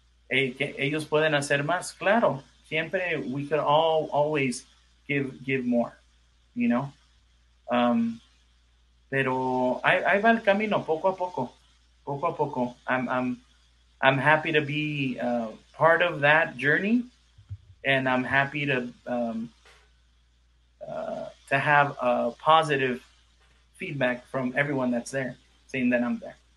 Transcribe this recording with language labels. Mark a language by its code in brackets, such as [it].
[es] Ellos pueden hacer más, claro. [en] Siempre, we could all always give more, you know? [es] Pero ahí va el camino, poco a poco. [en] I'm happy to be part of that journey, and I'm happy to have a positive feedback from everyone that's there, saying that I'm there.